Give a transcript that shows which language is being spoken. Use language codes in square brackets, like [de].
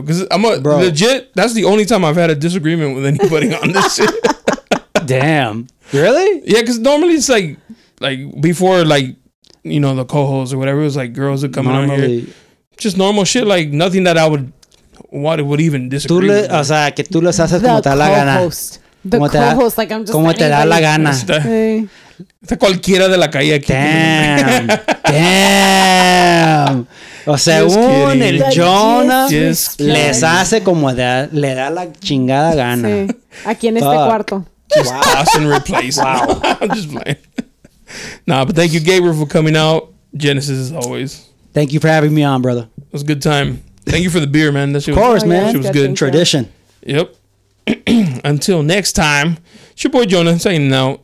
[en] Because I'm legit, that's the only time I've had a disagreement with anybody on this shit. Damn. Really? Yeah, because normally it's like before, like, you know, the co-hosts or whatever, it was like girls are coming normally on here. Just normal shit, like nothing that I would even disagree with. [es] O sea, que tú les haces como te la gana. [en] The co-host, like, I'm just [es] como te da la gana. Está cualquiera de la calle aquí. Damn. O según el Jonah, les hace como le da la chingada gana. Sí. Aquí en este cuarto. [en] Just toss and replace. Wow. I'm just playing. Nah, but thank you, Gabriel, for coming out. Genesis, as always. Thank you for having me on, brother. It was a good time. Thank you for the beer, man. Of course, man. She was good. Tradition. Yep. Until next time, it's your boy Jonah saying no.